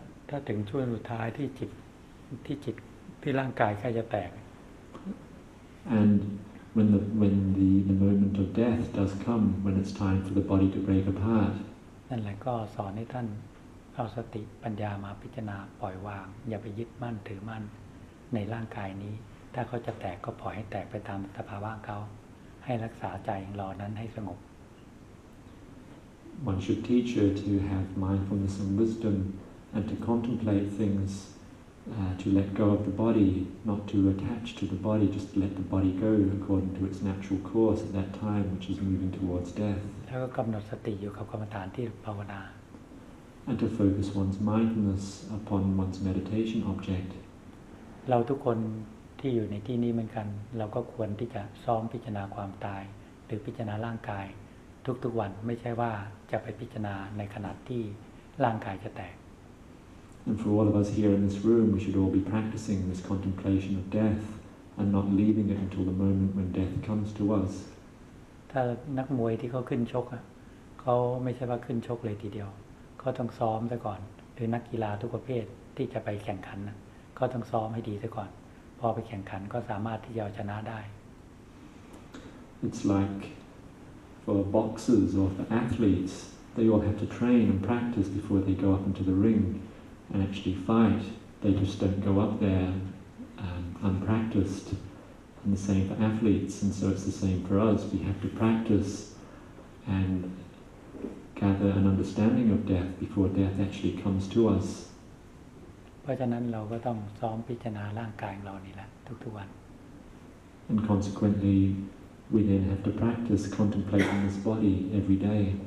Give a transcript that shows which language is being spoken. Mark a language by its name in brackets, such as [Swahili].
[Thai] ถ้าถึงช่วงสุดท้ายที่จิตที่ร่างกายใกล้จะแตก [English] And when the moment of death does come, when it's time for the body to break apart. [Thai] นั่นแหละก็สอนให้ท่านเอาสติปัญญามาพิจารณาปล่อยวางอย่าไปยึดมั่นถือมั่นในร่างกายนี้ถ้าเขาจะแตกก็ปล่อยให้แตกไปตามสภาวะเขาให้รักษาใจรอนั้นให้สงบ [English] One should teach her to have mindfulness and wisdom and to contemplate things to let go of the body not to attach to the body just let the body go according to its natural course at that time which is moving towards death [Thai] แล้วก็กำหนดสติอยู่กับกรรมฐานที่ภาวนา [English] And to focus one's mindfulness upon one's meditation object. [Thai] เราทุกคนที่อยู่ในที่นี้เหมือนกันเราก็ควรที่จะซ้อมพิจารณาความตายหรือพิจารณาร่างกายทุกๆวันไม่ใช่ว่าจะไปพิจารณาในขณะที่ร่างกายจะแตก [English] And for all of us here in this room, we should all be practicing this contemplation of death and not leaving it until the moment when death comes to us. [Thai] ถ้านักมวยที่เขาขึ้นชกเขาไม่ใช่ว่าขึ้นชกเลยทีเดียวก็ต้องซ้อมซะก่อนหรือนักกีฬาทุกประเภทที่จะไปแข่งขันนะก็ต้องซ้อมให้ดีซะก่อนพอไปแข่งขันก็สามารถที่จะเอาชนะได้ [English] It's like for boxers or for athletes they all have to train and practice before they go up into the ring and actually fight they just don't go up there unpracticed and the same for athletes and so it's the same for us we have to practice andgather an understanding of death before death actually comes to us [Thai] เพราะฉะนั้นเราก็ต้องซ้อมพิจารณาร่างกายของเรานี่แหละทุกๆวัน [English] and consequently we then have to practice contemplating this body every day